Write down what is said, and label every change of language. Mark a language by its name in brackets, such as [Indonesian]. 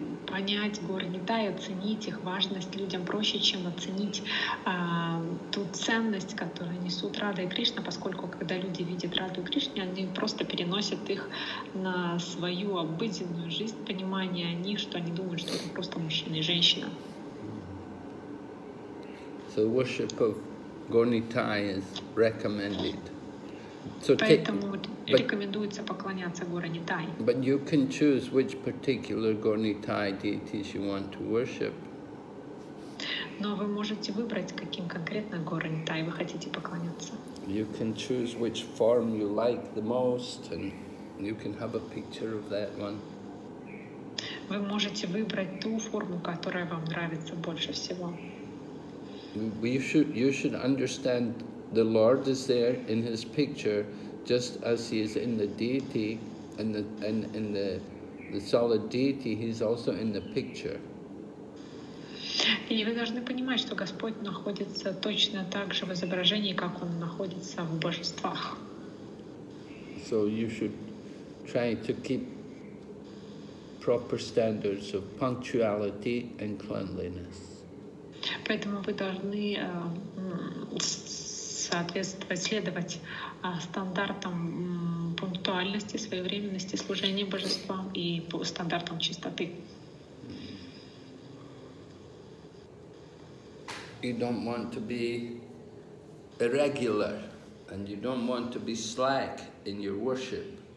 [Russian] понять горы Нитай, оценить их важность людям проще, чем оценить ту ценность, которую несут Рада и Кришна, поскольку когда люди видят Раду и Кришну, они просто переносят их на свою обыденную жизнь, понимание о них, что они думают, что это просто мужчина и женщина. [English] So worship of Gorni Thai is recommended. [Russian] So поэтому рекомендуется поклоняться Горни Тай. [English] But you can choose which particular Gorni Thai deities you want to worship. [Russian] Но вы можете выбрать, каким конкретно Горни Тай вы хотите поклоняться. [English] You can choose which form you like the most, and you can have a picture of that one. [Russian] Вы можете выбрать ту форму, которая вам нравится больше всего. [English] You should understand the Lord is there in his picture just as he is in the deity and in the solid deity, he's also in the picture. [Russian] И вы должны понимать, что Господь находится точно так же в изображении, как он находится в божествах. [English] So you should try to keep proper standards of punctuality and cleanliness. [Russian] Поэтому вы должны соответствовать, следовать стандартам пунктуальности, своевременности служения божествам и стандартам чистоты. [English] You don't want to be irregular, and you don't want to be slack in your worship.